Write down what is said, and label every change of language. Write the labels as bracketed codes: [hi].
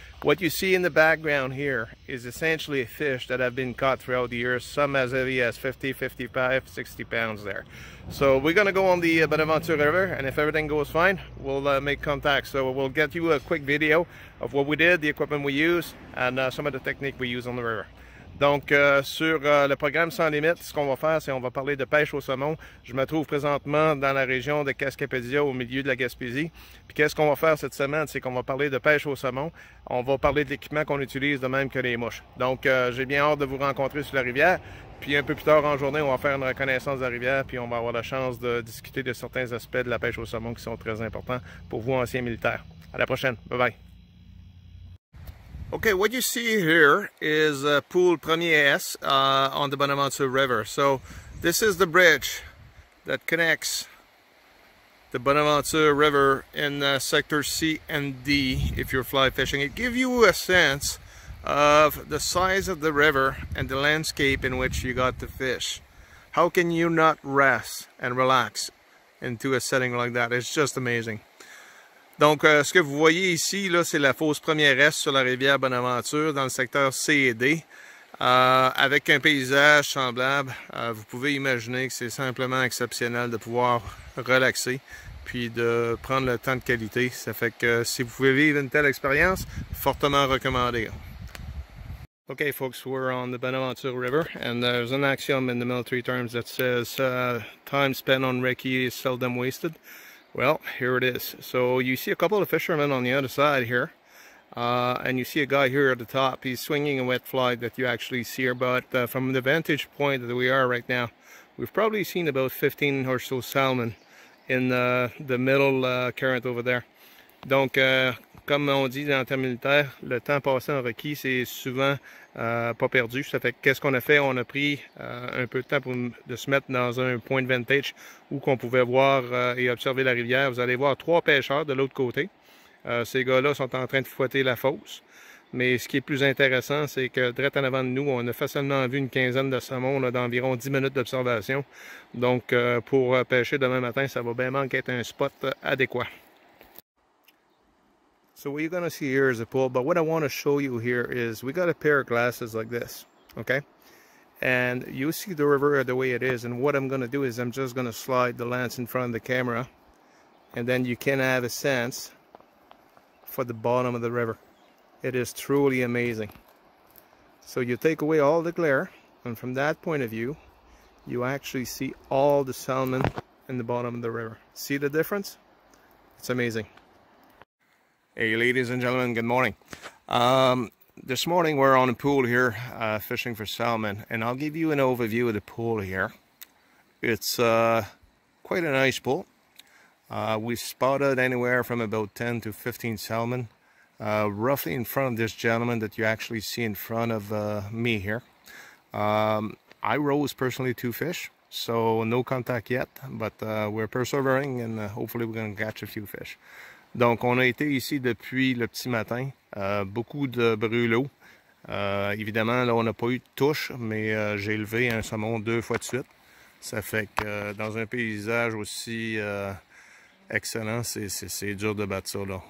[en] What you see in the background here is essentially fish that have been caught throughout the years, some as heavy as 50, 55, 60 pounds there. So we're going to go on the Bonaventure River, and if everything goes fine, we'll make contact. So we'll get you a quick video of what we did, the equipment we use, and some of the technique we use on the river. [fr] Donc, sur le programme Sans Limites, ce qu'on va faire, c'est on va parler de pêche au saumon. Je me trouve présentement dans la région de Cascapédia, au milieu de la Gaspésie. Puis, qu'est-ce qu'on va faire cette semaine? C'est qu'on va parler de pêche au saumon. On va parler de l'équipement qu'on utilise, de même que les mouches. Donc, j'ai bien hâte de vous rencontrer sur la rivière. Puis, un peu plus tard en journée, on va faire une reconnaissance de la rivière. Puis, on va avoir la chance de discuter de certains aspects de la pêche au saumon qui sont très importants pour vous, anciens militaires. À la prochaine. Bye-bye. [en] Okay, what you see here is a pool premier S on the Bonaventure River. So this is the bridge that connects the Bonaventure River in sector C and D if you're fly fishing. It gives you a sense of the size of the river and the landscape in which you got to fish. How can you not rest and relax into a setting like that? It's just amazing. [fr] Donc, ce que vous voyez ici, là, c'est la fosse première S sur la rivière Bonaventure, dans le secteur C et D. Avec un paysage semblable, vous pouvez imaginer que c'est simplement exceptionnel de pouvoir relaxer, puis de prendre le temps de qualité. Ça fait que si vous pouvez vivre une telle expérience, fortement recommandé. [en] Okay, folks, we're on the Bonaventure River, and there's an axiom in the military terms that says, time spent on recce is seldom wasted. Well, here it is. So you see a couple of fishermen on the other side here, and you see a guy here at the top. He's swinging a wet fly that you actually see here, but from the vantage point that we are right now, we've probably seen about 15 or so salmon in the middle current over there. [fr] Donc, comme on dit dans le terme militaire, le temps passé en requis, c'est souvent pas perdu. Ça fait qu'est-ce qu'on a fait? On a pris un peu de temps pour de se mettre dans un point de vantage où qu'on pouvait voir et observer la rivière. Vous allez voir trois pêcheurs de l'autre côté. Ces gars-là sont en train de fouetter la fosse. Mais ce qui est plus intéressant, c'est que direct en avant de nous, on a facilement vu une quinzaine de saumons d'environ 10 minutes d'observation. Donc, pour pêcher demain matin, ça va bien manquer d'être un spot adéquat. [en] So what you're going to see here is a pool, but what I want to show you here is we got a pair of glasses like this, okay? And you see the river the way it is, and what I'm going to do is I'm just going to slide the lens in front of the camera, and then you can have a sense for the bottom of the river. It is truly amazing. So you take away all the glare, and from that point of view, you actually see all the salmon in the bottom of the river. See the difference? It's amazing. Hey, ladies and gentlemen, good morning. This morning we're on a pool here fishing for salmon, and I'll give you an overview of the pool here. It's quite a nice pool. We spotted anywhere from about 10 to 15 salmon, roughly in front of this gentleman that you actually see in front of me here. I rose personally two fish, so no contact yet, but we're persevering and hopefully we're going to catch a few fish. [fr] Donc, on a été ici depuis le petit matin. Beaucoup de brûlots. Évidemment, là, on n'a pas eu de touche, mais j'ai élevé un saumon deux fois de suite. Ça fait que dans un paysage aussi excellent, c'est dur de battre ça, là.